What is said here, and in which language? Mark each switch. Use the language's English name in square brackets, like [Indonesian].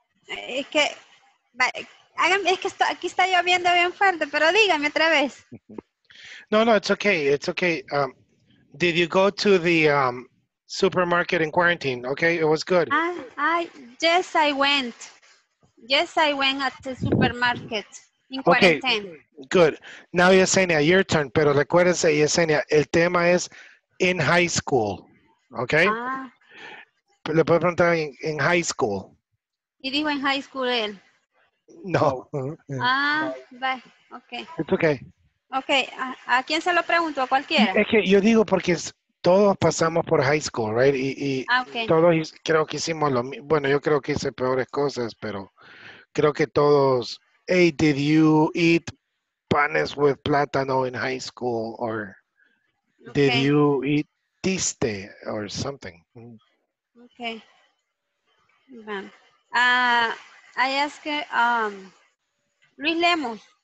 [Spanish] Aquí está lloviendo bien fuerte, pero dígame otra vez. [English] No, no, it's okay. It's okay. Did you go to the supermarket in quarantine? Okay, it was good. Yes, I went at the supermarket in quarantine. Okay, good. Now, Yesenia, your turn. [Spanish] Pero recuérdense, Yesenia, el tema es [English] in high school. Okay? [Spanish] Le puedo preguntar [English] in high school. [Spanish] Y dijo en [English] high school [Spanish] él. No. [English] Ah, bye. Okay. It's okay. [Spanish] Okay. ¿A quién se lo pregunto? ¿A cualquiera? Es que yo digo porque todos pasamos por [English] high school, right? [Spanish] Y okay. Todos creo que hicimos lo mismo. Bueno, yo creo que hice peores cosas, pero creo que todos. [English] Hey, did you eat panes with plátano in high school? Or did you eat tiste or something? Okay. Bueno. I ask Luis Lemus.